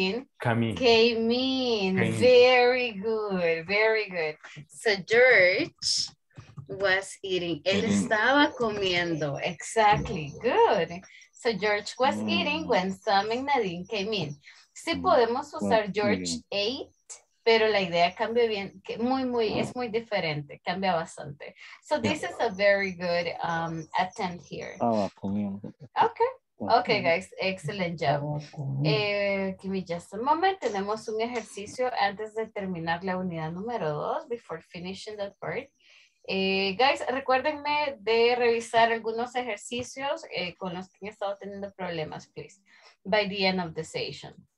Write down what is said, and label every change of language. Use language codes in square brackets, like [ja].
[en] George was eating when Sam and Nadine came in. Very good, very good. So George was eating. [es] Él estaba comiendo. [en] Exactly, good. So George was eating when Sam and Nadine came in. [es] Sí podemos usar George ate, pero la idea cambia bien, es muy diferente, cambia bastante. [en] So this is a very good attempt here. Okay, guys, excellent job. Give me just a moment. [es] Tenemos un ejercicio antes de terminar la unidad número 2, [en] before finishing that part. [es] Guys, recuérdenme de revisar algunos ejercicios con los que he estado teniendo problemas, please, [en] by the end of the session.